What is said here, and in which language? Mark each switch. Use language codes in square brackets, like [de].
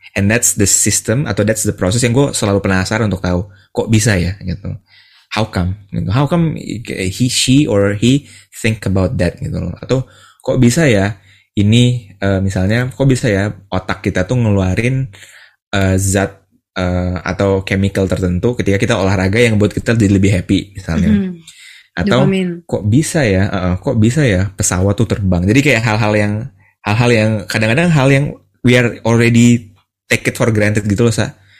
[en] And that's the system, [id] atau [en] that's the process [id] yang gue selalu penasaran untuk tahu kok bisa ya gitu. [en] How come? [id] Gitu. [en] How come he, she, or he think about that [id] gitu loh. Atau kok bisa ya ini misalnya, kok bisa ya otak kita tuh ngeluarin zat atau chemical tertentu ketika kita olahraga yang buat kita jadi lebih happy misalnya. Atau dopamin. Kok bisa ya kok bisa ya pesawat tuh terbang. Jadi kayak hal-hal yang kadang-kadang hal yang [en] we are already take it for granted [id] gitu loh, Sa.